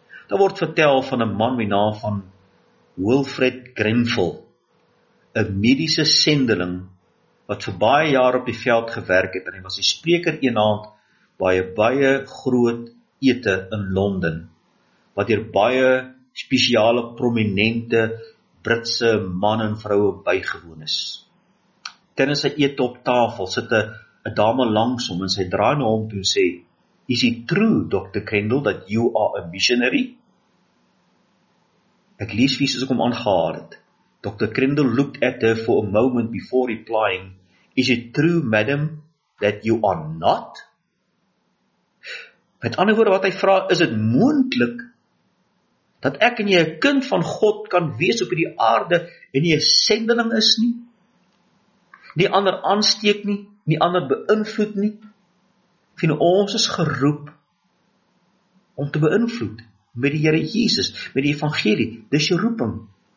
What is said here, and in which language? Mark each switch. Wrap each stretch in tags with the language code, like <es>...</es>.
<af>Daar word vertel van 'n man met naam van Wilfred Grenfell, 'n mediese sendeling wat vir baie jaar op die veld gewerk het en hy was die spreker eenaand by 'n baie groot ete in Londen, wat deur baie spesiale prominente Britse man en vroue bygewoon is. Tijdens sy ete op tafel sit 'n dame langs hom en sy draai na hom toe en sê,</af> <en>"Is it true, Dr. Grenfell, that you are a missionary?"</en> <af>Ek lees wie soos ek hom aangehaal het.</af> <en>Dr. Grenfell looked at her for a moment before replying, "Is it true, madam, that you are not?"</en> <af>Met ander woorde wat hy vra, is dit moontlik dat ek en jy 'n kind van God kan wees op die aarde en jy 'n sendeling is nie? Nie ander aansteek nie, nie ander beïnvloed nie. Vind ons is geroep om te beïnvloed met die Here Jesus, met die evangelie. Dis jou roeping.</af>